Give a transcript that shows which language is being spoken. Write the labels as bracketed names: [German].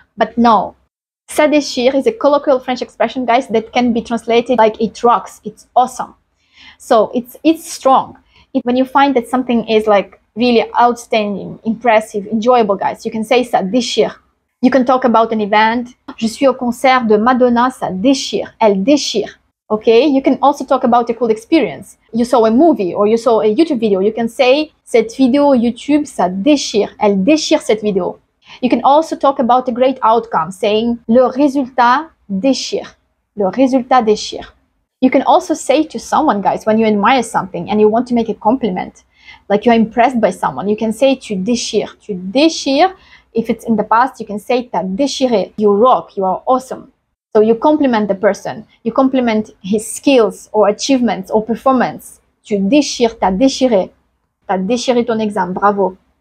[English] But no, ça déchire is a colloquial French expression, guys, that can be translated like, it rocks, it's awesome. So, it's strong. When you find that something is like really outstanding, impressive, enjoyable, guys, you can say, ça déchire. You can talk about an event. [French] Je suis au concert de Madonna, ça déchire. Elle déchire. Okay? [English] You can also talk about a cool experience. You saw a movie or you saw a YouTube video. [French] You can say, cette vidéo YouTube, ça déchire. Elle déchire cette vidéo. [English] You can also talk about a great outcome, saying, le résultat déchire. [French] Le résultat déchire. [English] You can also say to someone, guys, when you admire something and you want to make a compliment, like you're impressed by someone, you can say, tu déchires. Tu déchires. If it's in the past, you can say, t'as déchiré, you rock, you are awesome. So you compliment the person, you compliment his skills or achievements or performance. [French] Tu déchires, t'as déchiré, t'as déchiré ton exam, bravo.